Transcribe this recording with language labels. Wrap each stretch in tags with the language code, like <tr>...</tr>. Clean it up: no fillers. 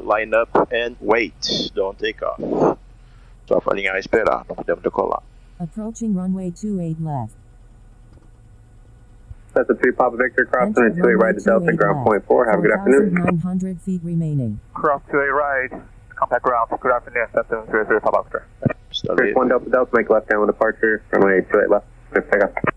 <en>Line up and wait, don't take off.</en> <pt>Só para alinhar e esperar, não podemos decolar.</pt> <en>Approaching runway 28 left. That's a 3 Papa Victor, cross runway 28 right to Delta, ground point 4, have a good afternoon. 900 feet remaining. Cross 28 right. Contact ground, good afternoon, Septim 33 Papa Victor. Cirrus 1 Delta Delta, make left downwind departure, runway 28 left, clear for takeoff.</en>